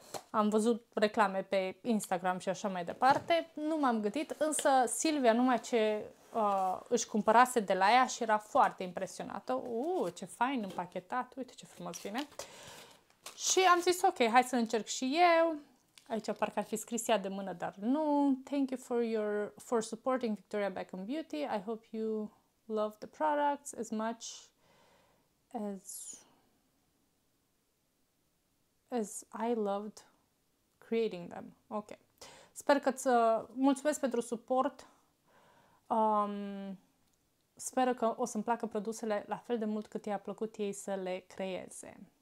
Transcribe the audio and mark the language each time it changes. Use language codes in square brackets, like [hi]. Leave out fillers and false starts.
[ro] Am văzut reclame pe Instagram și așa mai departe. Nu m-am gândit, însă Silvia, numai ce își cumpărase de la ea și era foarte impresionată. Ce fain împachetat! Uite ce frumos vine! Și am zis, ok, hai să încerc și eu. Aici parcă ar fi scris ea de mână, dar nu. [en] Thank you for supporting Victoria Beckham Beauty. I hope you love the products as much As I loved creating them. Ok. [ro] Sper că ți mulțumesc pentru suport. Sper că o să-mi placă produsele la fel de mult cât i-a plăcut ei să le creeze.